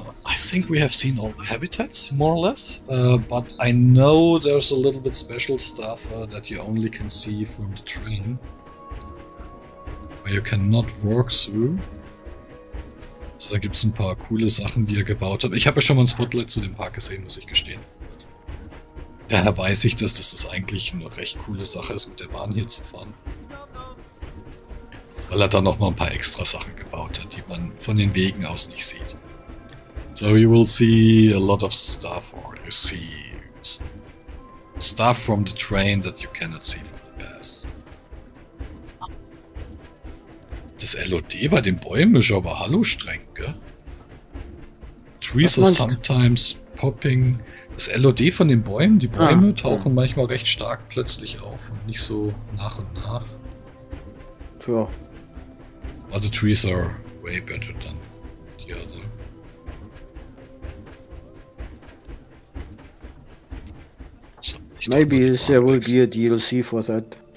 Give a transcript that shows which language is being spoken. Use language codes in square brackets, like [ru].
[en] I think we have seen all the habitats, more or less, but I know there's a little bit special stuff that you only can see from the train, where you cannot walk through. [de] Also, da gibt's ein paar coole Sachen, die ihr gebaut habt. Ich habe ja schon mal ein Spotlight zu dem Park gesehen, muss ich gestehen. Daher weiß ich, dass das eigentlich eine recht coole Sache ist, mit der Bahn hier zu fahren. Weil er da noch mal ein paar extra Sachen gebaut hat, die man von den Wegen aus nicht sieht. [en] So, you will see a lot of stuff, or you see stuff from the train that you cannot see from the pass. [de] Das LOD bei den Bäumen ist aber hallo streng, gell? [en] Trees are sometimes popping. [de] Das LOD von den Bäumen, die Bäume tauchen manchmal recht stark plötzlich auf und nicht so nach und nach. Tja. [en] But the trees are way better than the other. So, maybe there will be a DLC for that.